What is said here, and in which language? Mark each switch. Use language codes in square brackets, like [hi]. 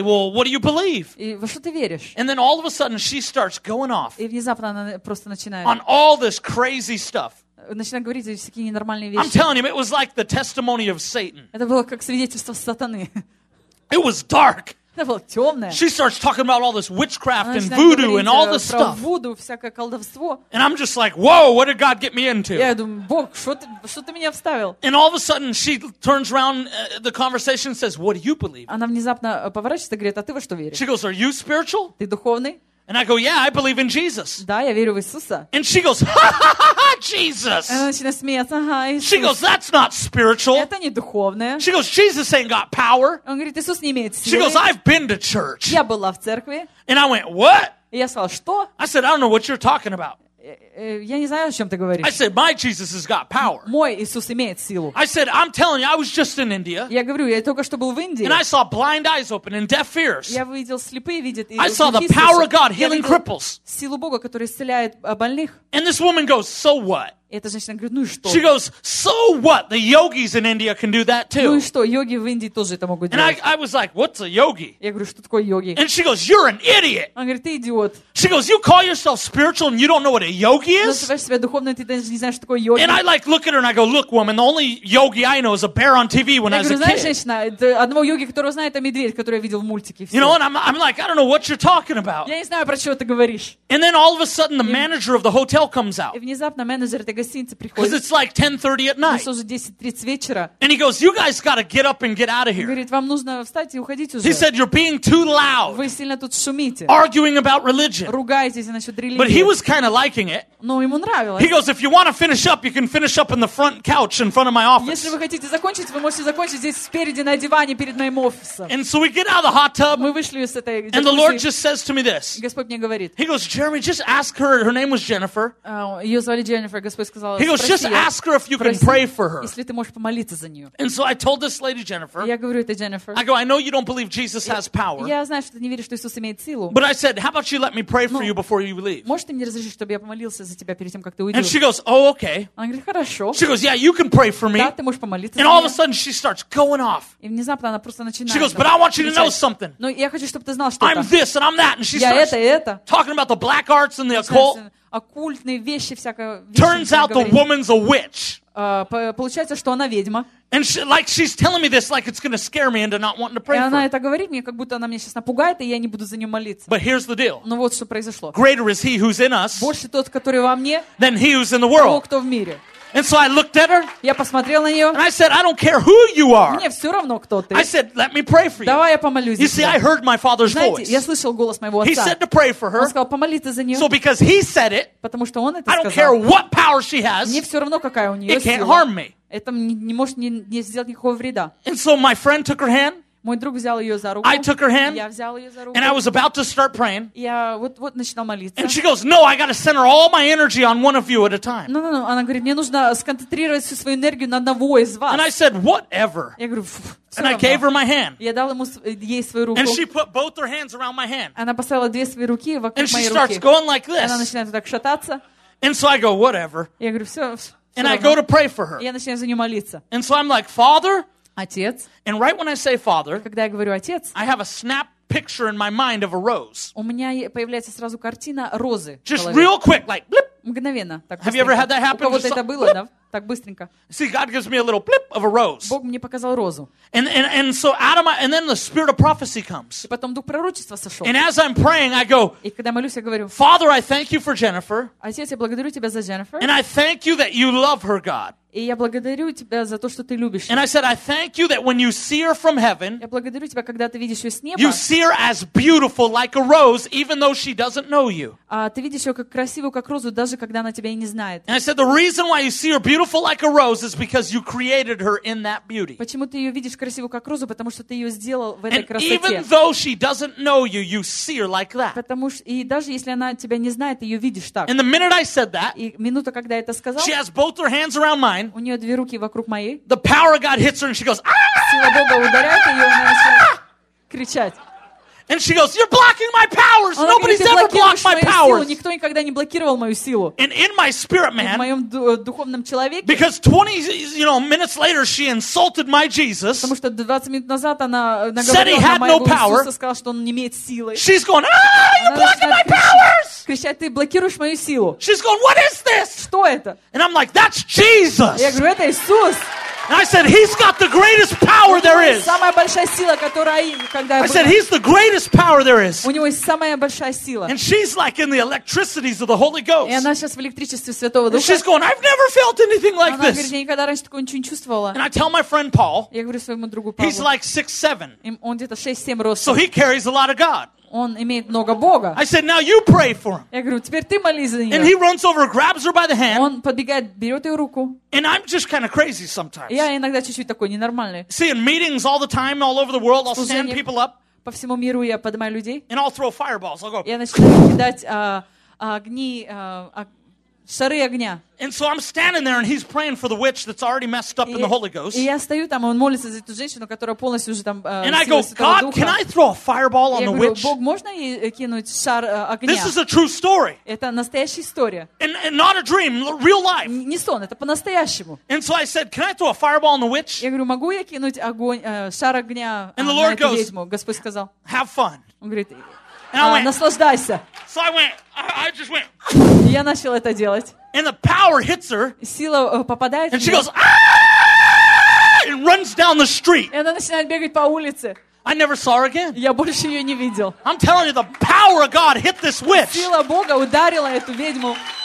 [en] Well, what do you believe? [ru] И во что ты веришь? [en] And then all of a sudden she starts going off. [ru] И внезапно она просто начинает. [en] On all this crazy stuff. [ru] Начинаю говорить всякие ненормальные вещи. [en] I'm telling him it was like the testimony of Satan. [ru] Это было как свидетельство сатаны. [en] It was dark. [ru] Это было темное. [en] She starts talking about all this witchcraft and voodoo and all this stuff. [ru] Про вуду, всякое колдовство. [en] And I'm just like, whoа, what did God get me into? [ru] Я думаю, Бог, что ты меня вставил? [en] And all of a sudden she turns around the conversation and says, what do you believe? [ru] Она внезапно поворачивается и говорит, а ты во что веришь? [en] She goes, are you spiritual? [ru] Ты духовный? [en] And I go, yeah, I believe in Jesus. [ru] Да, я верю в Иисуса. [en] And she goes, ha-ha-ha-ha, Jesus. [ru] Она начинает смеяться, ага, Иисус. [en] She goes, that's not spiritual. [ru] Это не духовное. [en] She goes, Jesus ain't got power. [ru] Он говорит, Иисус не имеет силы. [en] She goes, I've been to church. [ru] Я была в церкви. [en] And I went, what? [ru] И я сказала, что? [en] I said, I don't know what you're talking about. [ru] Я не знаю, о чем ты говоришь. [en] I said, my Jesus has got power. [ru] Мой Иисус имеет силу. [en] I said, I'm telling you, I was just in India. [ru] Я говорю, я только что был в Индии. [en] And I saw blind eyes open and deaf ears. [ru] Я видел слепые видят. [en] I saw the power of God healing cripples. [ru] Силу Бога, которая исцеляет больных. [en] And this woman goes, so what? [ru] Эта женщина говорит, ну и что? [en] She goes, so what? The yogis in India can do that too. [ru] Ну и что? Йоги в Индии тоже это могут [en] and [ru] делать. [en] And I was like, what's a yogi? [ru] Я говорю, что такое йоги? [en] And she goes, you're an idiot. [ru] Она говорит, ты идиот. [en] She goes, you call yourself spiritual and you don't know what a yogi is? [ru] Называешь себя духовной, ты даже не знаешь, что такое йоги. [en] And I like look at her and I go, look, woman, the only yogi I know is a bear on TV when I was a kid. [ru] Я говорю, знаешь, женщина, одного йоги, которого знаю, это медведь, который я видел в мультике. [en] You know, and I'm like, I don't know what you're talking about. [ru] Я не знаю, про чего ты говоришь. [en] And then all of a sudden, the manager of the hotel comes out. [ru] И внезапно менеджер [en] Because it's like 10:30 at night. [ru] Ну, уже 10:30 вечера. [en] And he goes, "You guys got to get up and get out of here." [ru] Говорит, вам нужно встать и уходить уже. [en] He said, "You're being too loud." [ru] Вы сильно тут шумите. [en] Arguing about religion. [ru] Ругаетесь насчет религии. [en] But he was kind of liking it. [ru] Но ему нравилось. [en] He goes, "If you want to finish up, you can finish up in the front couch in front of my office." [ru] Если вы хотите закончить, вы можете закончить здесь спереди на диване перед моим офисом. [en] And so we get out of the hot tub. [ru] Мы вышли из этой. [en] And the Lord just says to me this. [ru] Господь мне говорит. [en] He goes, "Jeremy, just ask her. Her name was Jennifer." [ru] Ее звали Дженнифер, Господь. [en] He goes, just ask her if you can pray for her. [ru] Если ты можешь помолиться за нее. [en] And so I told this lady Jennifer. [ru] Я говорю этой Дженнифер. [en] I go, I know you don't believe Jesus has power. [ru] Я знаю, что ты не веришь, что Иисус имеет силу. [en] But I said, how about you let me pray for you before you leave? [ru] Можешь ты мне разрешить, чтобы я помолился за тебя перед тем, как ты уйдешь? [en] And she goes, oh, okay. [ru] Она говорит, хорошо. [en] She goes, yeah, you can pray for me. [ru] Да, ты можешь помолиться за меня. [en] And all of a sudden she starts going off. [ru] И внезапно она просто начинает. [en] She goes, but I want you to know something. [ru] Но я хочу, чтобы ты знал что-то. [en] I'm this and I'm that, and she starts talking about the black arts and the occult. [ru] Оккультные вещи всякое. [en] Turns out the woman's a witch. [ru] Получается, что она ведьма. [en] And she, like she's telling me this, like it's gonna scare me into not wanting to pray. [ru] И она это говорит мне, как будто она меня сейчас напугает, и я не буду за нее молиться. [en] But here's the deal. [ru] Но вот что произошло. [en] Greater is He who's in us. [ru] Больше тот, который во мне. [en] Than He who's in the world. [ru] Того, кто в мире. [en] And so I looked at her. [ru] Я посмотрел на нее. [en] And I said, I don't care who you are. [ru] Мне все равно, кто ты. [en] I said, let me pray for you. [ru] Давай я помолюсь за тебя. [en] You see, I heard my father's [ru] Знаете, [en] voice. [ru] Я слышал голос моего отца. [en] He said to pray for her. [ru] Он сказал помолиться за нее. [en] So because he said it, [ru] потому что он это сказал. [en] I don't care what power she has. [ru] Мне все равно, какая у нее [en] it [ru] сила. [en] It can't harm me. [ru] Это не может не сделать никакого вреда. [en] And so my friend took her hand. [ru] Мой друг взял ее за руку. [en] I took her hand. [ru] Я взял ее за руку. [en] And I was about to start praying. [ru] Я вот начинал молиться. [en] And she goes, no, I gotta center all my energy on one of you at a time. No. [ru] Она говорит, мне нужно сконцентрировать всю свою энергию на одного из вас. [en] And I said, whatever. [ru] Я говорю, фу. [en] And I gave her my hand. [ru] Я дал ему ей свою руку. [en] And she put both her hands around my hand. [ru] Она поставила две свои руки вокруг моей руки. [en] And she starts going like this. [ru] Она начинает так шататься. [en] And so I go, whatever. [ru] Я говорю, все. [en] And I go to pray for her. [ru] Я начинаю за нее молиться. [en] And so I'm like, Father. [ru] Отец. [en] And right when I say father, [ru] когда я говорю отец, [en] I have a snap picture in my mind of a rose. [ru] У меня появляется сразу картина розы. [en] Just real quick, like blip. [ru] Мгновенно. Так, [en] have you ever had that happen? [ru] У кого-то это было, [en] blip. [ru] Да? Так быстренько. [en] See, God gives me a little blip of a rose. [ru] Бог мне показал розу. [en] And so out of my and then the spirit of prophecy comes. [ru] И потом дух пророчества сошел. [en] And as I'm praying, I go. [ru] И когда молюсь, я говорю. [en] Father, I thank you for Jennifer. [ru] Отец, я благодарю тебя за Дженнифер. [en] And I thank you that you love her, God. [ru] И я благодарю тебя за то, что ты любишь. [en] And I said, I thank you that when you see her from heaven, [ru] я благодарю тебя, когда ты видишь ее с неба. [en] You see her as beautiful, like a rose, even though she doesn't know you. [ru] Ты видишь ее как красивую, как розу, даже когда она тебя и не знает. [en] And I said, the reason why you see her beautiful beautiful like a rose is because you created her in that beauty. [ru] Почему ты ее видишь красивую как розу, потому что ты ее сделал в этой красоте. [en] And even though she doesn't know you, you see her like that. [ru] Потому что и даже если она тебя не знает, ты ее видишь так. [en] And the minute I said that, [ru] и минута, когда я это сказал, [en] she has both her hands around mine. [ru] У нее две руки вокруг моей. [en] The power of God hits her and she goes. [ru] Сила Бога ударяет ее, и она начинает кричать. [en] And she goes, "You're blocking my powers. Nobody's ever blocked my powers." [ru] Никто никогда не блокировал мою силу. [en] And in my spirit, man. [ru] В моем духовном человеке. [en] Because 20, you know, minutes later, she insulted my Jesus. [ru] Потому что 20 минут назад она наговорила на моего Иисуса, сказала, что он не имеет силы. [en] She's going, "Ah, you're blocking my powers!" [ru] Кричит, ты блокируешь мою силу. [en] She's going, "What is this?" [ru] Что это? [en] And I'm like, "That's Jesus." [ru] Я говорю, это Иисус. [en] And I said, "He's got the greatest power there is." [ru] Самая большая сила, которая когда. [en] I said, "He's the greatest power there is." [ru] У него есть самая большая сила. [en] And she's like in the electricities of the Holy Ghost. [ru] И она сейчас в электричестве Святого Духа. [en] And she's going, "I've never felt anything like this." [ru] Она говорит, я никогда раньше такого ничего не чувствовала. [en] And I tell my friend Paul. [ru] Я говорю своему другу Павлу. [en] He's like 6'7". [ru] Он где-то 6-7 ростом. [en] So he carries a lot of God. [ru] Он имеет много Бога. [en] I said, "Now you pray for him." [ru] Я говорю, теперь ты молись за него. [en] And he runs over, grabs her by the hand. [ru] Он подбегает, берет ее руку. [en] And I'm just kind of crazy sometimes. [ru] Я иногда чуть-чуть такой ненормальный. [en] See, in meetings all the time, all over the world, I'll stand people up. [ru] По всему миру я поднимаю людей. [en] And I'll throw fireballs. I'll go. [ru] Я начинаю кидать огни. Шары огня. [en] And so I'm standing there, and he's praying for the witch that's already messed up in the Holy Ghost. [ru] И я стою там, он молится за эту женщину, которая полностью уже там. [en] And I go, God, can I throw a fireball on the witch? [ru] Я говорю, Бог, можно ей кинуть шар огня? [en] This is a true story. [ru] Это настоящая история. [en] And not a dream, real life. [ru] Не сон, это по-настоящему. [en] And so I said, can I throw a fireball on the witch? [ru] Я говорю, могу я кинуть огонь, шар огня на эту ведьму? [en] And the Lord goes, [ru] Господь сказал. [en] Have fun. [ru] Он говорит, наслаждайся. [en] So I went. I just went. [ru] Я начал это делать. [en] And the power hits her. [ru] Сила попадает. [en] And she goes. And runs down the street. [ru] И она начинает бегать по улице. [en] I never saw her again. [ru] Я больше ее не видел. [en] I'm telling you, the power of God hit this witch. [ru] Сила Бога ударила эту ведьму.